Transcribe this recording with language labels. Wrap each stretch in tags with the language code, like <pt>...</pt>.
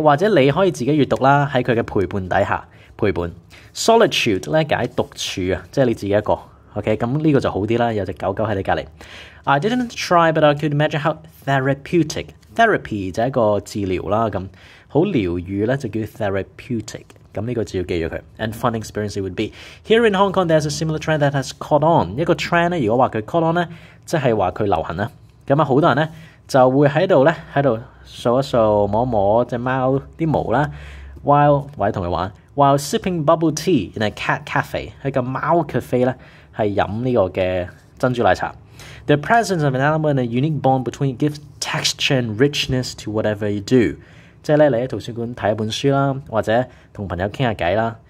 <yue>或者你可以自己閱讀啦，喺佢嘅陪伴底下。陪伴 solitude 咧解独处啊，即系你自己一个。 OK， 咁呢个就好啲啦，有只狗狗喺你隔篱。</yue> <en>I didn't try, but I could imagine how therapeutic.</en> <yue>Therapy 就一个治疗啦，咁好疗愈咧就叫 therapeutic。咁呢个就要记住佢。</yue> <en>And fun experience it would be here in Hong Kong. There's a similar trend that has caught on.</en> <yue>一个 trend 咧，如果话佢 caught on 咧，即系话佢流行啦。咁啊，好多人咧就会喺度咧喺度扫一扫摸摸只猫啲毛啦 ，while 或者同佢玩。</yue> <en>While sipping bubble tea in a cat cafe,</en> <yue>喺個貓 cafe 咧，係飲呢個嘅珍珠奶茶。</yue> <en>The presence of an animal and a unique bond between gives texture and richness to whatever you do.</en> <yue>即係咧，你喺圖書館睇一本書啦，或者同朋友傾下偈啦。</yue>